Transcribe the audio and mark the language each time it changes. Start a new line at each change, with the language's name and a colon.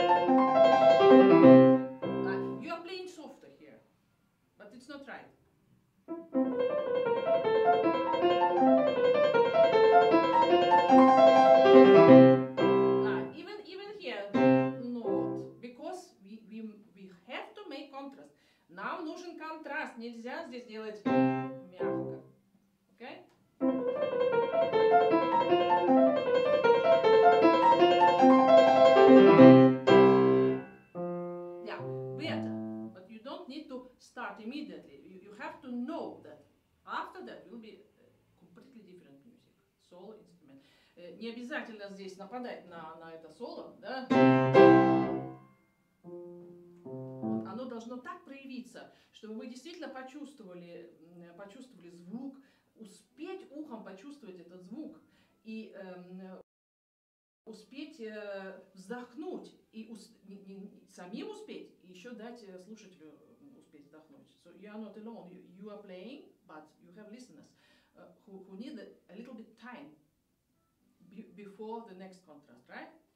English: You are playing softer here, but it's not right. Even here, not, because we have to make contrast.
Russian: Нам нужен контраст, нельзя здесь делать мягко, okay?
English: Yeah, better, but you don't need to start immediately. You have to know that after that will be completely different music, solo instrument.
Russian: Не обязательно здесь нападать на это соло, да? Должно так проявиться, чтобы вы действительно почувствовали звук, успеть ухом почувствовать этот звук и успеть вздохнуть и самим успеть и еще дать слушателю успеть вздохнуть.
English: So you are not alone. You are playing, but you have listeners who need a little bit time before the next contrast, right?